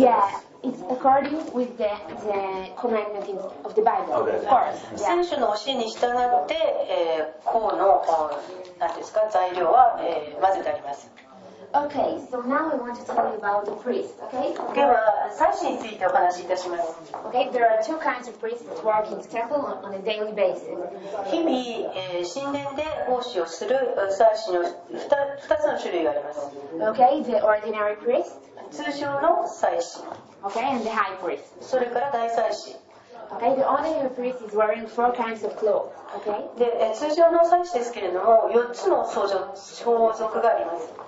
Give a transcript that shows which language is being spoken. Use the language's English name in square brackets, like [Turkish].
[English] Yeah, it's according with the commandment of the Bible. Okay. Of course. [Japanese] 聖書の教えに従って、香の、何ですか、材料は、混ぜてあります。 [English] Okay, so now I want to tell you about the priest, okay? [Japanese] では、祭司についてお話しいたします。 [English] Okay, there are two kinds of priests working in the temple on a daily basis. [Japanese] 日々、神殿で奉仕をする祭司の 2つの種類があります。 [English] Okay, the ordinary priest. [Japanese] 通常の祭司。 [English] Okay, and the high priest. [Japanese] それから大祭司。 [English] Okay, the ordinary priest is wearing four kinds of clothes. Okay. [Japanese] で、通常の祭司ですけれども、四つの装束があります。